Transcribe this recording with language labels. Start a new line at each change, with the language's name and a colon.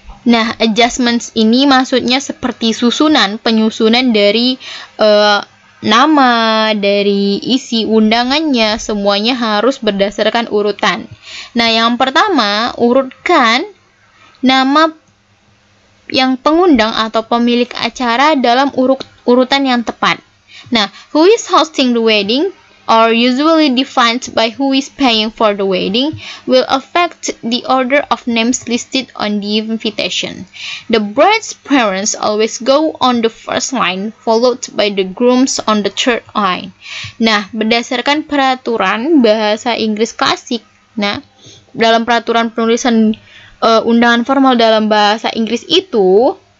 Indonesian: Nah, adjustments ini maksudnya seperti penyusunan dari nama, dari isi undangannya, semuanya harus berdasarkan urutan. Nah, yang pertama, urutkan nama yang pengundang atau pemilik acara dalam urutan yang tepat.
English: Nah, who is hosting the wedding, or usually defined by who is paying for the wedding, will affect the order of names listed on the invitation. The bride's parents always go on the first line, followed by the grooms on the third line.
Indonesian: Nah, berdasarkan peraturan bahasa Inggris klasik, nah, dalam peraturan penulisan undangan formal dalam bahasa Inggris itu,